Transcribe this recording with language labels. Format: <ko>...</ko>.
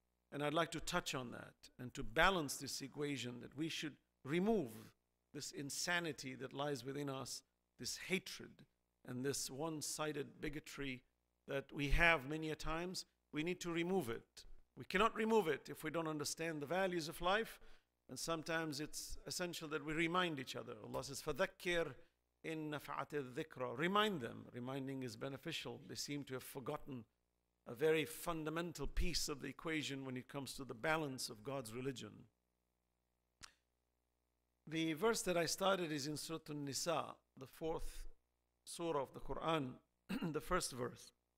<en>And I'd like to touch on that and to balance this equation that we should remove this insanity that lies within us, this hatred and this one-sided bigotry that we have many a times. We need to remove it. We cannot remove it if we don't understand the values of life. And sometimes it's essential that we remind each other. Allah says,</en> <ar>فَذَكِّرْ إِن نَفَعَتِ الذِّكْرَ.</ar> <en>Remind them. Reminding is beneficial. They seem to have forgotten a very fundamental piece of the equation when it comes to the balance of God's religion. The verse that I started is in Surah An-Nisa, the fourth surah of the Quran, the first verse.</en>